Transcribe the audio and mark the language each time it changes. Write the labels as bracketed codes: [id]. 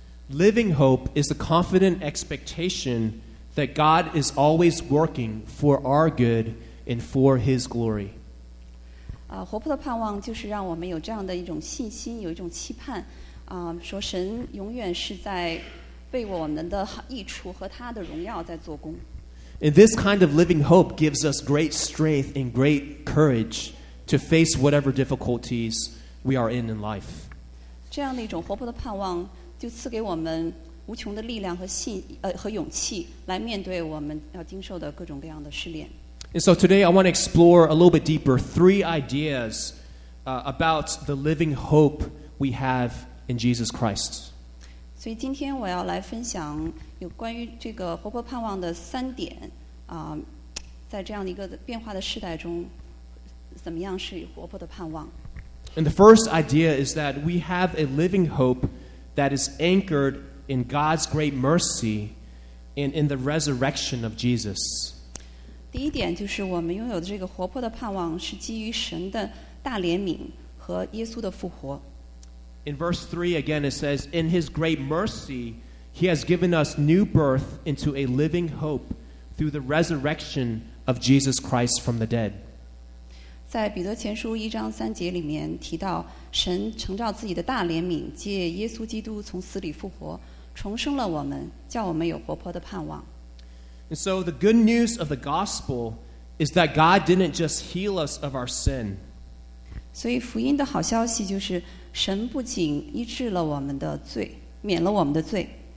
[en] Living hope is a confident expectation that God is always working for our good and for His glory. [zh] 活泼的盼望就是让我们有这样的一种信心，有一种期盼，说神永远是在为我们的益处和他的荣耀在做工。 [en] And this kind of living hope gives us great strength and great courage to face whatever difficulties we are in life. [zh] 这样的一种活泼的盼望就赐给我们无穷的力量和信和勇气，来面对我们要经受的各种各样的试炼。 [en] And so today I want to explore a little bit deeper three ideas about the living hope we have in Jesus Christ. [zh] 所以今天我要来分享有关于这个活泼盼望的三点啊，在这样的一个变化的时代中，怎么样是活泼的盼望 [en] ？And the first idea is that we have a living hope. That is anchored in God's great mercy and in the resurrection of Jesus. [zh] 第一点就是我们拥有的这个活泼的盼望是基于神的大怜悯和耶稣的复活。 [en] In verse 3 again it says, In His great mercy, He has given us new birth into a living hope through the resurrection of Jesus Christ from the dead. [zh] 在彼得前书一章三节里面提到神承照自己的大怜悯，借耶稣基督从死里复活，重生了我们，叫我们有活泼的盼望。 [en] And so the good news of the gospel is that God didn't just heal us of our sin. [zh] 所以福音的好消息就是，神不仅医治了我们的罪，免了我们的罪。